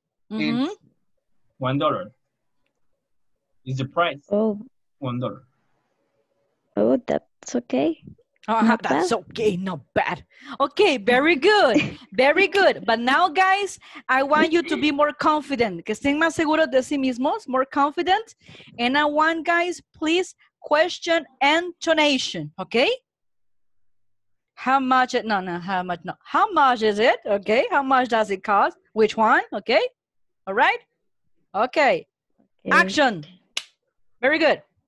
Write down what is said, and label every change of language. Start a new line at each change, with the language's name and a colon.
English: Mm-hmm. It's $1. Is the price? Oh. $1. Oh, that's okay. That's bad. Okay, not bad. Okay, very good. Very good. But now, guys, I want you to be more confident.
Spanish: Que estén más seguros de sí mismos,
English: more confident. And I want, guys, please question intonation, okay? How much is it? Okay, how much does it cost? Which one? Okay, all right? Okay, okay. Action. Very good.